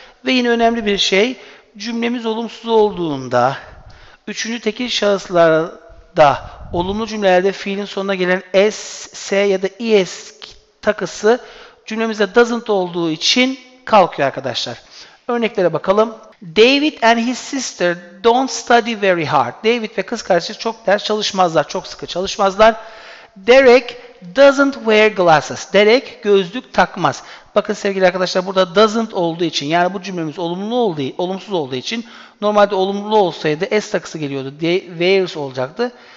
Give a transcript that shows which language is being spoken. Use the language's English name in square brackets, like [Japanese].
[Turkish] Ve yine önemli bir şey, cümlemiz olumsuz olduğunda üçüncü tekil şahıslarda olumlu cümlelerde fiilin sonuna gelen s, s ya da is takısı cümlemizde doesn't olduğu için kalkıyor arkadaşlar. Örneklere bakalım. [English] David and his sister don't study very hard. [Turkish] David ve kız kardeşi çok ders çalışmazlar, çok sıkı çalışmazlar. [English] Derek doesn't wear glasses. [Turkish] Derek gözlük takmaz. Bakın sevgili arkadaşlar, burada doesn't olduğu için, yani bu cümlemiz olumlu olduğu, olumsuz olduğu için, normalde olumlu olsaydı s takısı geliyordu, wears olacaktı.